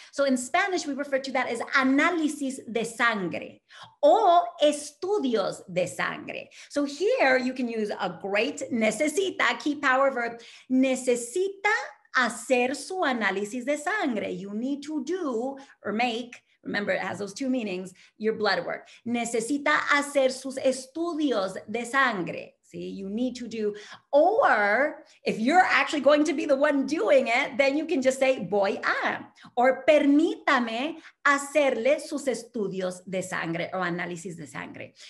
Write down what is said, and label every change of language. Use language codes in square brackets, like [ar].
[en] So in Spanish, we refer to that as [es] análisis de sangre [en] or [es] estudios de sangre. [en] So here you can use a great necesita, key power verb, [es] necesita hacer su análisis de sangre. [en] You need to do or make, remember, it has those two meanings, your blood work. [es] Necesita hacer sus estudios de sangre. [en] See, you need to do. Or if you're actually going to be the one doing it, then you can just say [es] voy a. [en] Or [es] permítame hacerle sus estudios de sangre [en] or [es] análisis de sangre.